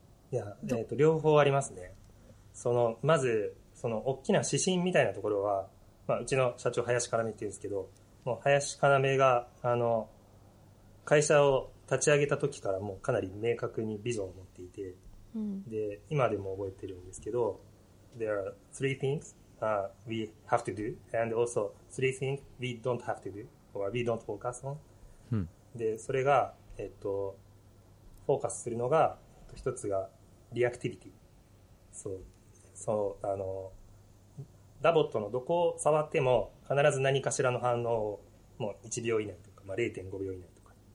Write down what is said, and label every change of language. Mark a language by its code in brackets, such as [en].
[ja] いや、両方ありますね。そのまずその大きな指針みたいなところは、まあ、うちの社長林要って言うんですけどもう林要があの会社を立ち上げた時からもうかなり明確にビジョンを持っていて、うん、で今でも覚えてるんですけど [en] There are three things、we have to do and also three things we don't have to do or we don't focus on、 [ja] うん、でそれが、フォーカスするのが一つがリアクティビティあのダボットのどこを触っても必ず何かしらの反応をもう1秒以内とか、まあ、0.5 秒以内とか、